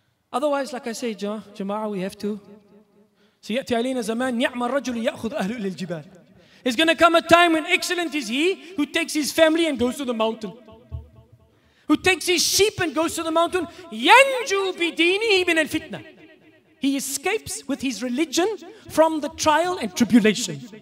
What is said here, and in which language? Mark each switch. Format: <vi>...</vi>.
<en>Otherwise, like I say, Jama'ah, we have to.</en> <ar>سيأتي علينا زمان نعم الرجل يأخذ أهل الجبال.</ar> <en>It's going to come a time when excellent is he who takes his family and goes to the mountain. Who takes his sheep and goes to the mountain.</en> <ar>ينجو بدينه من الفتنة.</ar> <en>He escapes with his religion from the trial and tribulation.</en>